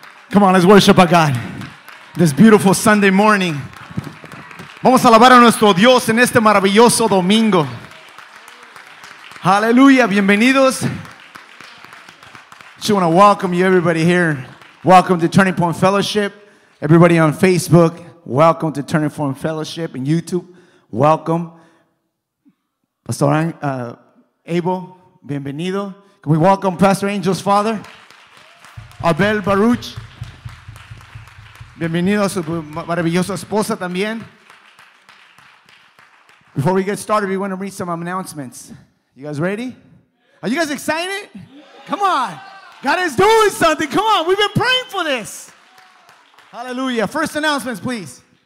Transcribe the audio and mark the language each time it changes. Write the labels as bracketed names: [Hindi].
[English] Come on, let's worship a God. This beautiful Sunday morning. [Spanish] Vamos a alabar a nuestro Dios en este maravilloso domingo. Aleluya. Bienvenidos. [English] Just want to welcome you, everybody here. Welcome to Turning Point Fellowship. Everybody on Facebook, welcome to Turning Point Fellowship. And YouTube, welcome. Pastor Abel, [Spanish] bienvenido. [English] Can we welcome Pastor Angel's father, Abel Baruch. [Spanish] Bienvenido a su maravillosa esposa también. [English] Before we get started, we want to read some announcements. You guys ready? Are you guys excited? Come on. God is doing something. Come on. We've been praying for this. Hallelujah. First announcements, please.